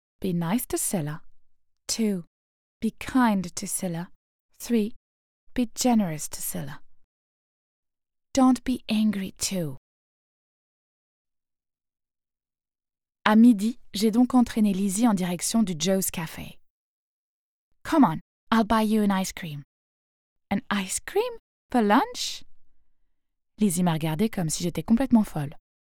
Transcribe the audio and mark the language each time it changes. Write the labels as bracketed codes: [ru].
[en] Be nice to Silla. 2. Be kind to Silla. 3. Be generous to Silla. Don't be angry too. [fr] À midi, j'ai donc entraîné Lizzie en direction du Joe's Café. [en] Come on, I'll buy you an ice cream. An ice cream? For lunch? [fr] Lizzie m'a regardée comme si j'étais complètement folle.